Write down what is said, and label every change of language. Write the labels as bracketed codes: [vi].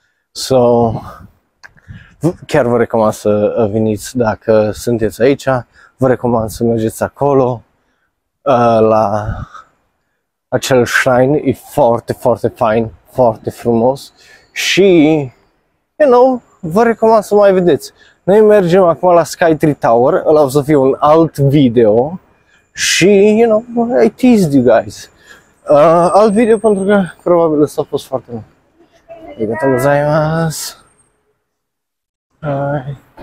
[ro] So, chiar vă recomand să veniți dacă sunteți aici. Vă recomand să mergeți acolo la acel shrine. E foarte, foarte fain, foarte frumos. Și, [en] you know, [ro] vă recomand să mai vedeți. Noi mergem acum la Sky Tree Tower. Ăla o să fie un alt video. Și, [en] you know, I teased you guys. [ro] Alt video pentru că probabil ăsta a fost foarte mult. [ja] Arigatou gozaimasu. [ro] Hai.